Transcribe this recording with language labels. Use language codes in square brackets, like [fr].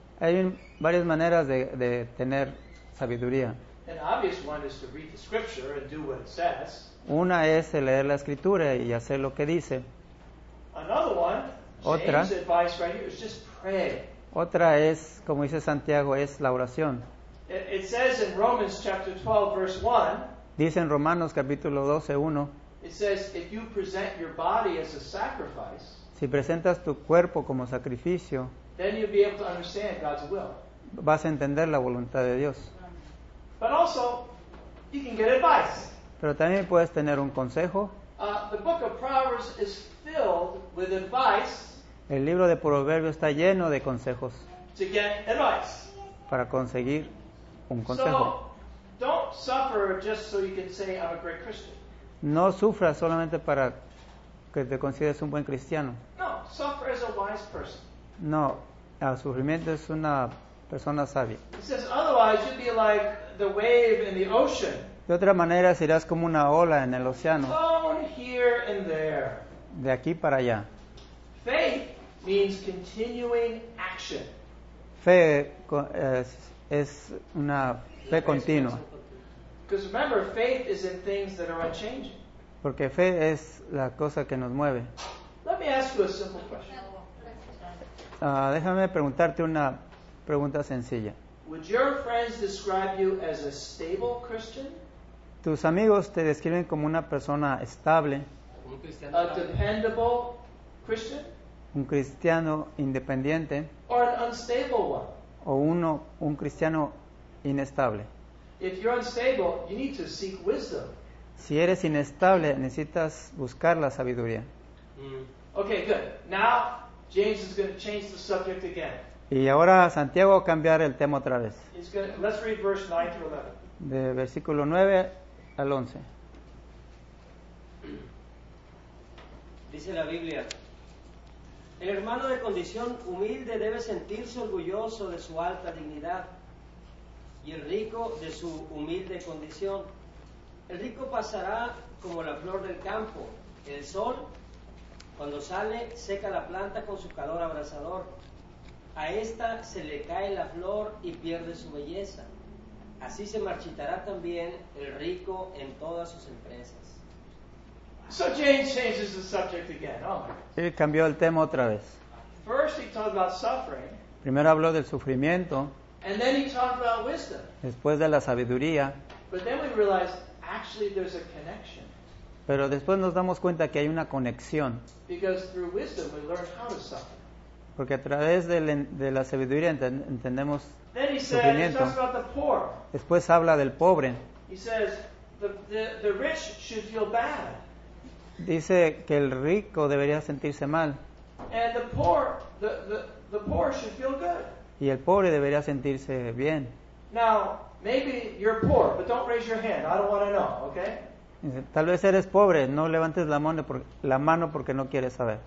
[es] Hay varias maneras de tener sabiduría. [en] An obvious one is to read the scripture and do what it says. [es] Una es leer la escritura y hacer lo que dice. [en] Another one, [es] otra, [en] James' advice right here, is just pray. [es] Otra es, como dice Santiago, es la oración. [en] It says in Romans chapter 12, verse 1, [es] dice en Romanos capítulo 12:1. [en] It says, if you present your body as a sacrifice, [es] si presentas tu cuerpo como sacrificio, [en] then you'll be able to understand God's will. [es] Vas a entender la voluntad de Dios. [en] But also, you can get advice. [es] Pero también puedes tener un consejo. [en] The book of Proverbs is filled with advice. [es] El libro de Proverbios está lleno de consejos. [en] To get advice. [es] Para conseguir un consejo. [en] So, don't suffer just so you can say I'm a great Christian. [es] No sufras solamente para que te consideres un buen cristiano. [en] No, suffer as a wise person. [es] No, el sufrimiento es una persona sabia. [en] It says otherwise you'd be like the wave in the ocean. [es] De otra manera serás como una ola en el océano. [en] Blown here and there. [es] De aquí para allá. [en] Faith means continuing action. [es] Fe es una fe continua. [en] Because remember, faith is in things that are unchanging. [es] Porque fe es la cosa que nos mueve. [en] Let me ask you a simple question. [es] Déjame preguntarte una pregunta sencilla. [en] Would your friends describe you as a stable Christian? [es] ¿Tus amigos te describen como una persona estable? [en] A dependable Christian? [es] ¿Un cristiano independiente? [en] Or an unstable one? [es] ¿O uno, un cristiano inestable? [en] If you're unstable, you need to seek wisdom. [es] Si eres inestable, necesitas buscar la sabiduría. [en] Mm. Okay, good. Now James is going to change the subject again. [es] Y ahora Santiago va a cambiar el tema otra vez. [en] Let's read verse 9 through 11. [es] De versículo 9 al 11. Dice la Biblia: el hermano de condición humilde debe sentirse orgulloso de su alta dignidad, y el rico de su humilde condición. El rico pasará como la flor del campo, el sol Cuando sale, seca la planta con su calor abrasador. A esta se le cae la flor y pierde su belleza. Así se marchitará también el rico en todas sus empresas. [en] So James changes the subject again. Oh. [es] Él cambió el tema otra vez. [en] First he talked about suffering. [es] Primero habló del sufrimiento. [en] And then he talked about wisdom. [es] Después de la sabiduría. [en] But then we realized actually there's a connection. [es] Pero después nos damos cuenta que hay una conexión. [en] Because through wisdom we learn how to suffer. [es] Porque a través de la sabiduría entendemos [en] then he [es] sufrimiento. [en] Said, he talks about the poor. [es] Después habla del pobre. [en] He says, the rich should feel bad. [es] Dice que el rico debería sentirse mal. [en] And the poor should feel good. [es] Y el pobre debería sentirse bien. [en] Now, maybe you're poor, but don't raise your hand. I don't want to know, okay? [es] Tal vez eres pobre, no levantes la mano porque no quieres saber.